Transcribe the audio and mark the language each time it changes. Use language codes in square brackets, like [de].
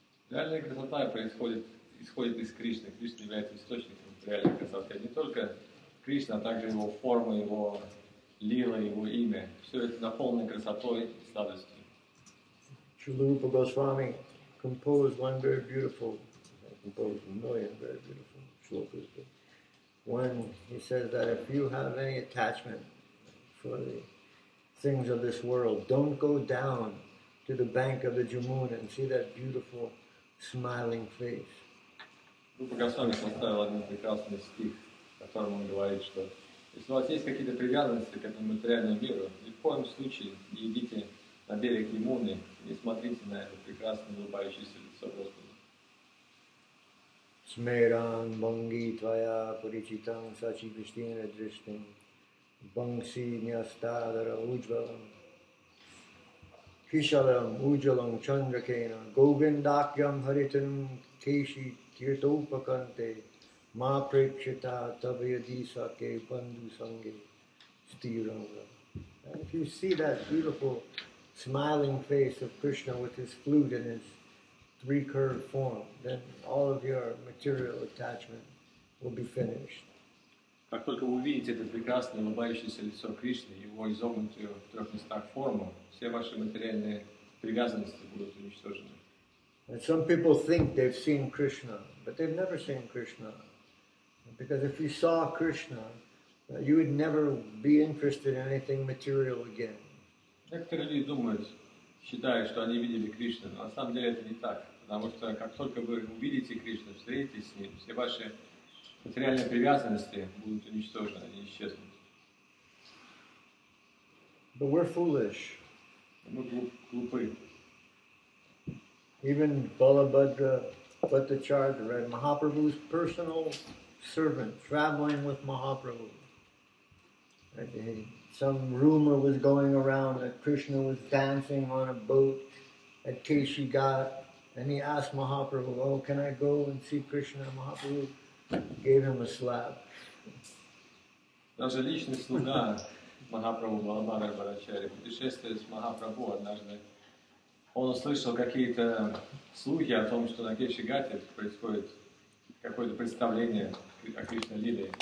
[ru] Реальная красота исходит из Кришны. Кришна является источником реальной красоты. Не только Кришна, а также его форма, его лила, его имя. Все это наполнено красотой и сладостью. [en] Srila Rupa Goswami composed one very beautiful, composed a million very beautiful shlokas, but one, he says that if you have any attachment for the things of this world, don't go down to the bank of the Jamuna and see that beautiful smiling face. [ru] Rupa Goswami составил один прекрасный стих, в котором он говорит, что если у вас есть какие-то привязанности к этому материальному миру, ни в коем случае не идите на берег Емуны и смотрите на это прекрасное улыбающееся лицо Господа. [sa] Смейран банги твоя паричитан сачи пристина дриштин бангси ньястадара уджвалам кишалам уджалам чандракена говиндакьям харитин кеши киртоупаканте ма прикшита табьядиса ке банду санге стиранга. [en] If you see that beautiful smiling face of Krishna with his flute and his three-curved form, then all of your material attachment will be finished. [ru] Как только вы увидите это прекрасное улыбающееся лицо Кришны, его изогнутую в трех местах форму, все ваши материальные привязанности будут уничтожены. [en] And some people think they've seen Krishna, but they've never seen Krishna. Because if you saw Krishna, you would never be interested in anything material again. [ru] Некоторые люди думают, считая, что они видели Кришну, но на самом деле это не так. Потому что как только вы увидите Кришну, встретитесь с ним, все ваши материальные привязанности будут уничтожены, они исчезнут. [en] But we're foolish. [ru] Мы глупы. [en] Even Balabhadra Bhattacharya, Mahaprabhu's personal servant, traveling with Mahaprabhu. Some rumor was going around that Krishna was dancing on a boat at Keshi Ghat, and he asked Mahaprabhu, oh, can I go and see Krishna? Mahaprabhu gave him a slap. [ru] Даже личный слуга Махапрабху Баламара Барачари, путешествуя с Махапрабху однажды, он услышал какие-то слухи о том, что на Кеши Гате происходит какое-то представление о Кришна Лиле.